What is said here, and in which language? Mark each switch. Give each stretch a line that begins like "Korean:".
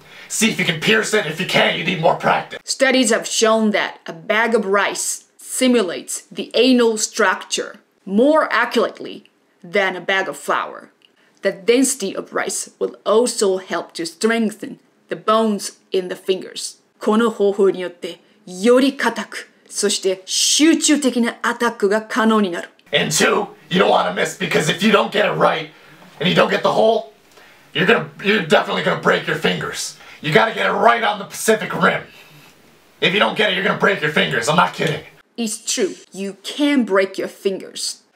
English: See if you can pierce it. If you can't, you need more practice. Studies have shown that a bag of rice simulates the anal structure more accurately. Than a bag of flour. The density of rice will also help to strengthen the bones in the fingers.
Japanese: この方法によってより硬く、そして集中的なアタックが可能になる。
English: And two, you don't want to miss because if you don't get it right and you don't get the hole, you're definitely gonna break your fingers. You gotta get it right on the Pacific Rim. If you don't get it, you're gonna break your fingers. I'm not kidding. It's true, you can break your fingers.